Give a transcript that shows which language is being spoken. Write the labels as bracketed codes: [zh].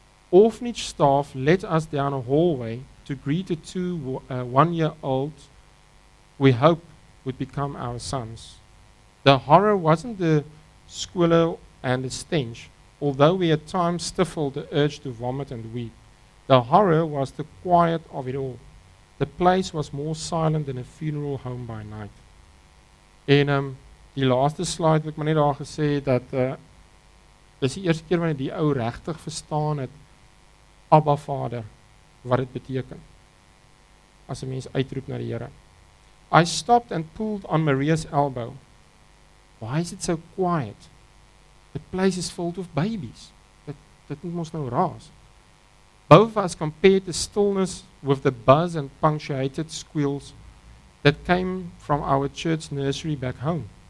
[en] Orphanage staff led us down a hallway to greet the two one-year-old we hope would become our sons. The horror wasn't the squalor and the stench, although we at times stifled the urge to vomit and weep. The horror was the quiet of it all. The place was more silent than a funeral home by night. [af] En die laaste slide wat ek maar net daar gesê het, dat dis die eerste keer wanneer die ou regtig verstaan het Abba Vader, wat dit beteken, as 'n mens uitroep na die Here. [en] I stopped and pulled on Maria's elbow. Why is it so quiet? The place is full of babies. [af] Dit moet ons nou raas. [en] Both us compared the stillness with the buzz and punctuated squeals that came from our church nursery back home.